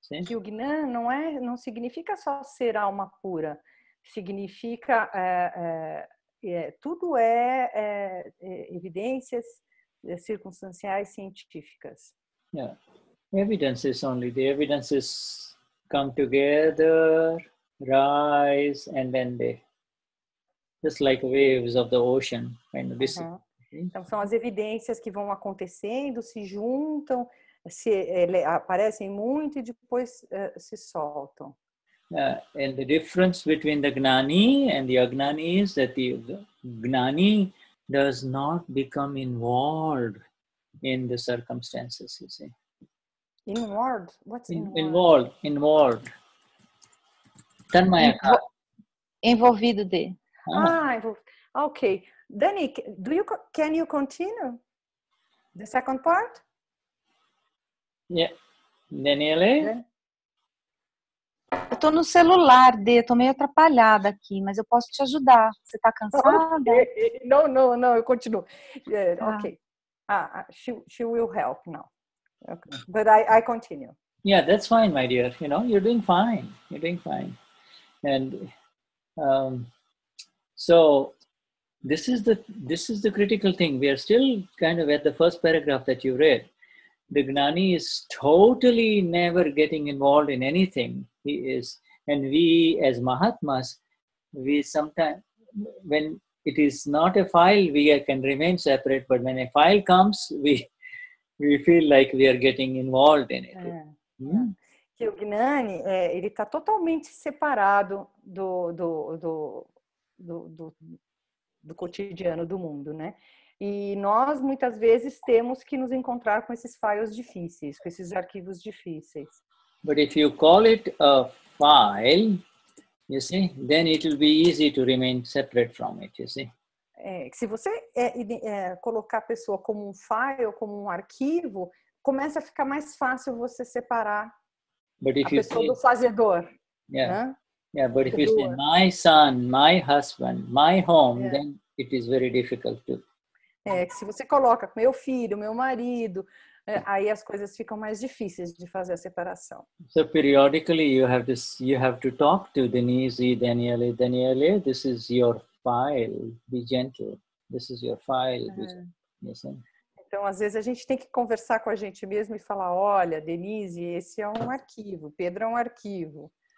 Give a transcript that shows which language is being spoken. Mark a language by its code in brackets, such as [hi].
[pt] Que o Gnan não significa só ser alma pura, significa tudo é evidências circunstanciais científicas. [en] Yeah, evidences only. The evidences come together, rise, and then they just like waves of the ocean, kind of this. Então, são as evidências que vão acontecendo, se juntam, aparecem muito e depois se soltam. And the difference between the Gnani and the Agnani is that the Gnani does not become involved in the circumstances, you see. Involved? What's involved? [pt] Envolvido de. [en] Ok. Dani, can you continue the second part? Yeah. Daniele? [pt] Eu tô no celular, Dê. Tô meio atrapalhada aqui, mas eu posso te ajudar. Você tá cansada? Não, eu continuo. [en] Yeah, ok. She will help now. Okay. But I continue. Yeah, that's fine, my dear. You know, you're doing fine. You're doing fine. And so this is the critical thing. We are still kind of at the first paragraph that you read. The Gnani is totally never getting involved in anything. He is, and we as Mahatmas, we sometimes, when it is not a file, we can remain separate. But when a file comes, we feel like we are getting involved in it. [pt] Que o Gnani, ele está totalmente separado do cotidiano do mundo, né? E nós, muitas vezes, temos que nos encontrar com esses files difíceis, com esses arquivos difíceis. [en] But if you call it a file, you see, then it will be easy to remain separate from it, you see? [pt] Se você colocar a pessoa como um file, como um arquivo, começa a ficar mais fácil você separar [en] but if [pt] a pessoa do fazedor. Yeah, né? [en] Yeah, but if you say my son, my husband, my home, then it is very difficult to... [pt] Que se você coloca meu filho, meu marido, aí as coisas ficam mais difíceis de fazer a separação. [en] So periodically you have to talk to Denise, Daniele, Daniele, this is your file, be gentle. This is your file. [pt] Então às vezes a gente tem que conversar com a gente mesmo e falar, olha, Denise, esse é um arquivo, Pedro é um arquivo.